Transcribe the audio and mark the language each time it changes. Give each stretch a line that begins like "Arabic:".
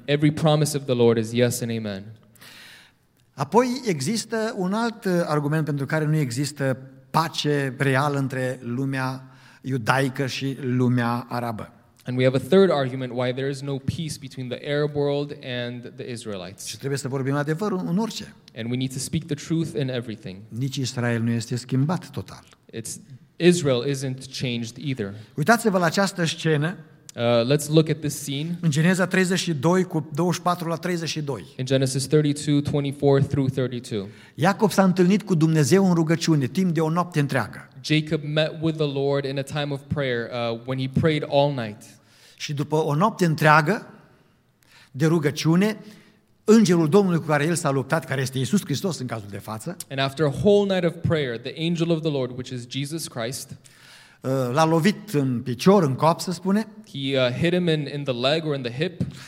English: Every promise of the Lord is yes and amen.
Romanian: Apoi există un alt argument pentru care nu există pace reală între lumea iudaică și lumea arabă.
English: And we have a third argument why there is no peace between the Arab world and the Israelites.
Romanian: Și trebuie să vorbim adevărul în orice.
English: And we need to speak the truth in everything.
Romanian: Nici Israel nu este schimbat total.
English: Israel isn't changed either.
Romanian: Uitați-vă la această scenă.
English: Let's look at this scene.
Romanian: În Geneza 32 cu 24 la 32.
English: In Genesis 32, 24 through 32.
Romanian: Iacob s-a întâlnit cu Dumnezeu în rugăciune timp de o noapte întreagă.
English: Jacob met with the Lord in a time of prayer when he prayed all night.
Romanian: Și după o noapte întreagă de rugăciune, îngerul Domnului cu care el s-a luptat, care este Iisus Hristos în cazul de față.
English: And after a whole night of prayer, the angel of the Lord, which is Jesus Christ,
Romanian: l-a lovit în picior, în cap, se spune.
English: He hit him in the leg or in the hip.